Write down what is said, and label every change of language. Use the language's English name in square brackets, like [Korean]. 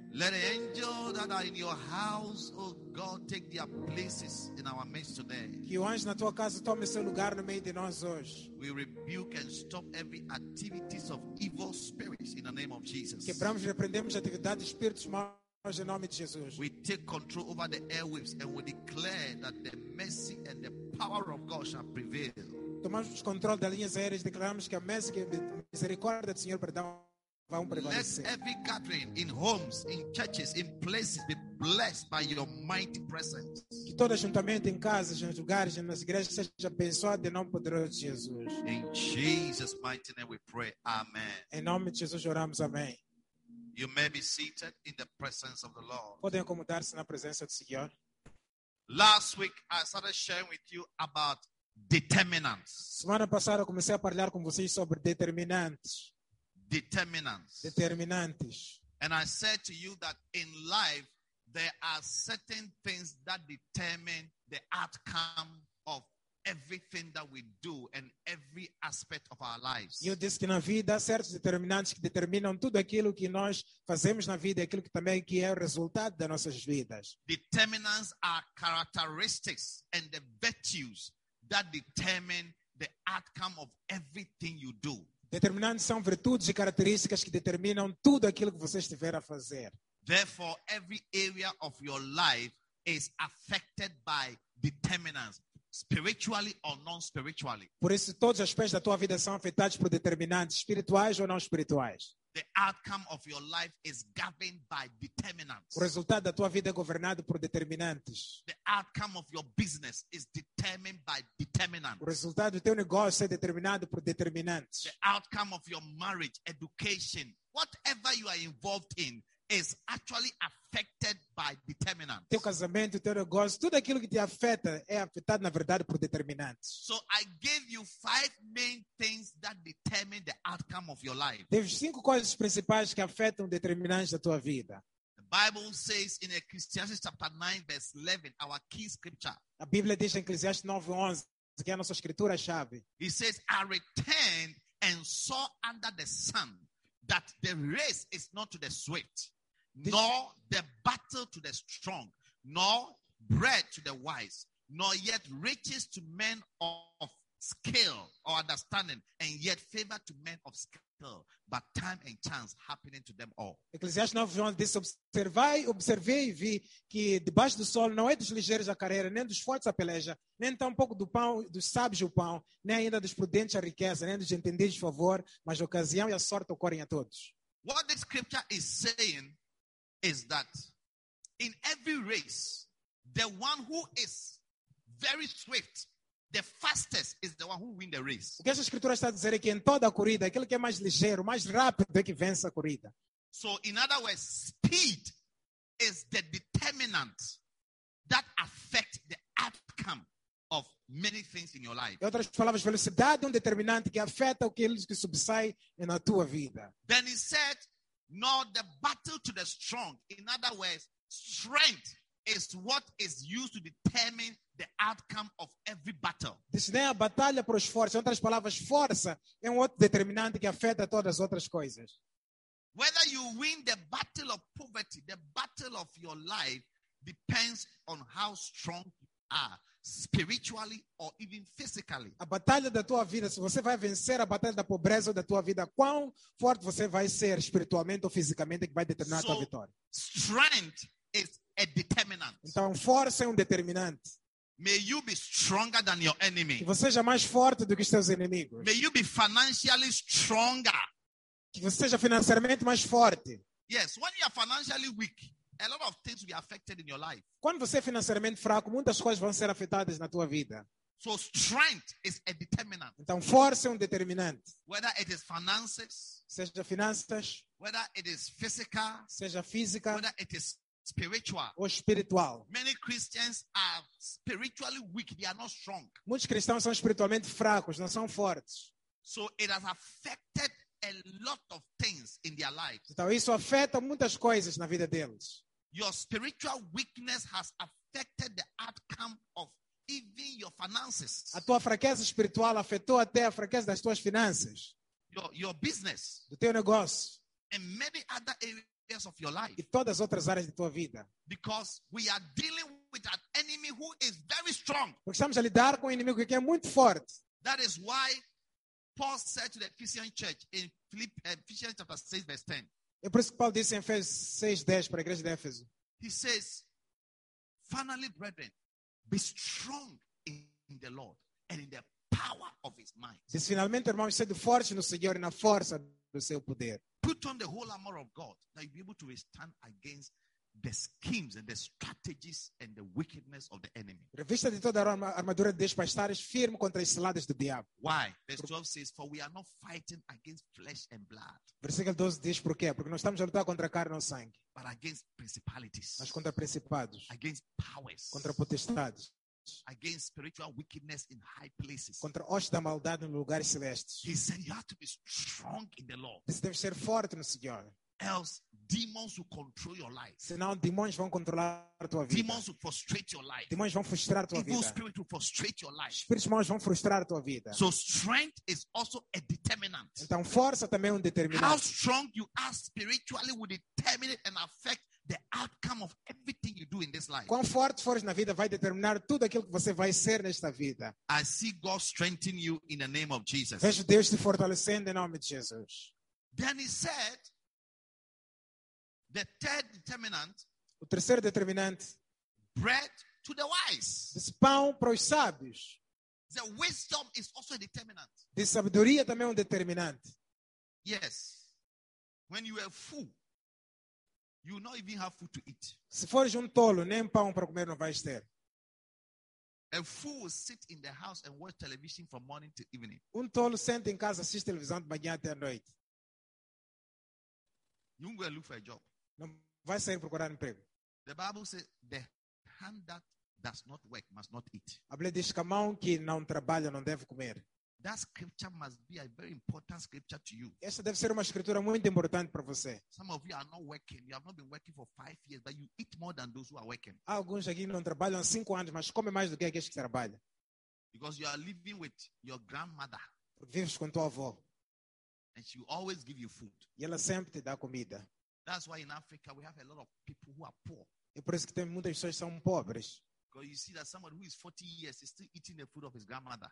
[English] Let the angels that are in your house, oh God, take their places in our midst today. [Portuguese] Que o anjo na tua casa tome seu lugar no meio de nós hoje. [English] We rebuke and stop every activities of evil spirits in the name of Jesus. [Portuguese] Quebramos e repreendemos atividades de espíritos maus em nome de Jesus. [English] We take control over the airwaves and we declare that the mercy and the power of God shall prevail. [Portuguese] Tomamos controle das linhas aéreas e declaramos que a mesa que misericórdia do Senhor perdão vão prevalecer. [English] Let every gathering in homes, in churches, in places be blessed by your mighty presence. [Portuguese] Que todo ajuntamento em casas, nos lugares, nas igrejas seja abençoado em nome poderoso de Jesus. [English] In Jesus' mighty name we pray. Amen. [Portuguese] Em nome de Jesus oramos. Amém. [English] You may be seated in the presence of the Lord. [Portuguese] Podem acomodar-se na presença do Senhor. [English] Last week I started sharing with you about determinants. [Portuguese] Semana passada eu comecei a falar com vocês sobre determinantes. [English] Determinants. [Portuguese] Determinantes. [English] And I said to you that in life there are certain things that determine the outcome of everything that we do and every aspect of our lives. [Portuguese] Eu disse que na vida há certos determinantes que determinam tudo aquilo que nós fazemos na vida e aquilo que também que é o resultado das nossas vidas. [English] Determinants are characteristics and the virtues that determine the outcome of everything you do. [Portuguese] Determinantes são virtudes e características que determinam tudo aquilo que você estiver a fazer. [English] Therefore, every area of your life is affected by determinants, spiritually or non-spiritually. [Portuguese] Por isso, todos os aspectos da tua vida são afetados por determinantes, espirituais ou não espirituais. [English] The outcome of your life is governed by determinants. [Portuguese] O resultado da tua vida é governado por determinantes. [English] The outcome of your business is determined by determinants. [Portuguese] O resultado do teu negócio é determinado por determinantes. [English] The outcome of your marriage, education, whatever you are involved in is actually affected by determinants. [Portuguese] Teu casamento, teu negócio, tudo aquilo que te afeta é afetado, na verdade, por determinantes. [English] So I gave you 5 main things that determine the outcome of your life. [Portuguese] Teve 5 coisas principais que afetam determinantes da tua vida. [English] The Bible says in Ecclesiastes chapter 9, verse 11, our key scripture. [Portuguese] A Bíblia diz em Eclesiastes 9, 11, que é a nossa escritura-chave. [English] He says, I returned and saw under the sun that the race is not to the swift, nor the battle to the strong, nor bread to the wise, nor yet riches to men of skill or understanding, and yet favor to men of skill, but time and chance happening to them all. [Portuguese] Eclesiastes 9, 11 diz, observei e vi que debaixo do sol não é dos ligeiros a carreira, nem dos fortes a peleja, nem tampouco do pão, dos sábios o pão, nem ainda dos prudentes a riqueza, nem dos entendidos o favor, mas a ocasião e a sorte ocorrem a todos. [English] What the scripture is saying is that in every race, the one who is very swift, the fastest, is the one who wins the race. [Portuguese] O que essa escritura está a dizer é que em toda a corrida, aquele que é mais ligeiro, mais rápido é que vence a corrida. [English] So, in other words, speed is the determinant that affects the outcome of many things in your life. [Portuguese] Em outras palavras, velocidade é determinante que afeta aqueles que subsaem na tua vida. [English] Then he said, nor the battle to the strong. In other words, strength is what is used to determine the outcome of every battle. [Portuguese] Diz, nem a batalha para os fortes. Em outras palavras, força é outro determinante que afeta todas as outras coisas. [English] Whether you win the battle of poverty, the battle of your life, depends on how strong you are, spiritually or even physically. [Portuguese] A batalha da tua vida, se você vai vencer a batalha da pobreza ou da tua vida, quão forte você vai ser espiritualmente ou fisicamente que vai determinar a tua vitória. [English] Strength is a determinant. [Portuguese] Então, força é determinante. [English] May you be stronger than your enemy. [Portuguese] Que você seja mais forte do que os seus inimigos. [English] May you be financially stronger. [Portuguese] Que você seja financeiramente mais forte. [English] Yes, when you are financially weak, a lot of things will be affected in your life. [Portuguese] Quando você é financeiramente fraco, muitas coisas vão ser afetadas na tua vida. [English] So strength is a determinant. [Portuguese] Então, força é determinante. [English] Whether it is finances, [Portuguese] seja finanças, [English] whether it is physical, [Portuguese] seja física, [English] whether it is spiritual, [Portuguese] ou espiritual. [English] Many Christians are spiritually weak, they are not strong. [Portuguese] Muitos cristãos são espiritualmente fracos, não são fortes. [English] So it has affected a lot of things in their lives. [Portuguese] Então isso afeta muitas coisas na vida deles. [English] Your spiritual weakness has affected the outcome of even your finances. [Portuguese] A tua fraqueza espiritual afetou até a fraqueza das tuas finanças. [English] Your business. [Portuguese] Do teu negócio. [English] And many other areas of your life. [Portuguese] E todas as outras áreas da tua vida. [English] Because we are dealing with an enemy who is very strong. [Portuguese] Porque estamos a lidar com um inimigo que é muito forte. [English] That is why Paul said to the Ephesian church in Ephesians chapter 6 verse 10. [Portuguese] É por isso que Paulo disse em Efésios 6:10 para a igreja de Éfeso. [English] He says, finally, brethren, be strong in the Lord and in the power of his might. [Portuguese] Diz, finalmente, irmãos, sede fortes no Senhor e na força do seu poder. [English] Put on the whole armor of God that you'll be able to withstand against the schemes and the strategies and the wickedness of the enemy. [Portuguese] Revista de toda a armadura de Deus para estares firme contra as ciladas do diabo. [English] Why? Verse 12 says, for we are not fighting against flesh and blood. [Portuguese] Versículo 12 diz por quê? Porque nós estamos a lutar contra carne ou sangue. [English] But against principalities. [Portuguese] Mas contra principados. [English] Against powers. [Portuguese] Contra potestades. [English] Against spiritual wickedness in high places. [Portuguese] Contra hostes da maldade em lugares celestes. [English] He said you have to be strong in the Lord. [Portuguese] Você deve ser forte no Senhor. [English] Else, demons will control your life. [Portuguese] Senão, demônios vão controlar a tua vida. [English] Demons will frustrate your life. [Portuguese] Demônios vão frustrar a tua [English] evil [Portuguese] vida. [English] Spirit will frustrate your life. [Portuguese] Espíritos maus vão frustrar a tua vida. [English] So strength is also a determinant. [Portuguese] Então, força também é determinante. [English] How strong you are spiritually will determine and affect the outcome of everything you do in this life. [Portuguese] Quão forte fores na vida vai determinar tudo aquilo que você vai ser nesta vida. [English] I see God strengthening you in the name of Jesus. [Portuguese] Vejo Deus te fortalecendo em nome de Jesus. [English] Then he said, the third determinant, [Portuguese] o terceiro determinante, [English] bread to the wise. [Portuguese] Diz pão para os sábios. [English] The wisdom is also a determinant. [Portuguese] Diz sabedoria também é determinante. [English] Yes. When you are full, you not even have food to eat. [Portuguese] Se fores tolo, nem pão para comer não vais ter. [English] A fool will sit in the house and watch television from morning to evening. [Portuguese] Tolo senta em casa, assiste televisão de manhã até à noite. [English] You won't go and look for a job. [Portuguese] Não vai sair procurar emprego. [English] The Bible says the hand that does not work must not eat. [Portuguese] A Bíblia diz que a mão que não trabalha não deve comer. [English] That scripture must be a very important scripture to you. [Portuguese] Essa deve ser uma escritura muito importante para você. [English] Some of you are not working. You have not been working for 5 years, but you eat more than those who are working. [Portuguese] Há alguns aqui não trabalham há 5 anos, mas comem mais do que aqueles que trabalham. [English] Because you are living with your grandmother. [Portuguese] Porque vives com tua avó. [English] And she always give you food. [Portuguese] E ela sempre te dá comida. [English] That's why in Africa we have a lot of people who are poor. [Portuguese] É por isso que tem muitas pessoas que são pobres. [English] Because you see that someone who is 40 years is still eating the food of his grandmother.